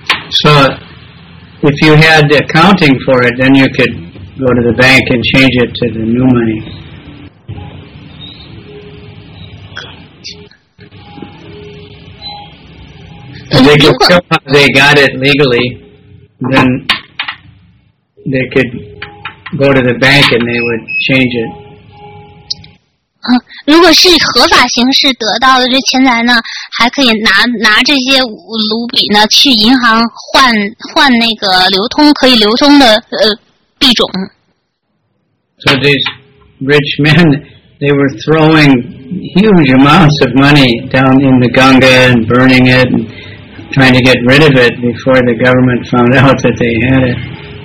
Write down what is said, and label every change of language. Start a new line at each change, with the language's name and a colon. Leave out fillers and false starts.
English: So,if you had the accounting for it, then you could go to the bank and change it to the new money. They got it legally, then they could go to the bank and they would change it.
Chinese: 如果是合法形式得到的这钱财呢，还可以拿这些卢比呢去银行换那个流通可以流通的币种。
English: So these rich men, they were throwing huge amounts of money down in the Ganga and burning it and trying to get rid of it before the government found out that they had it.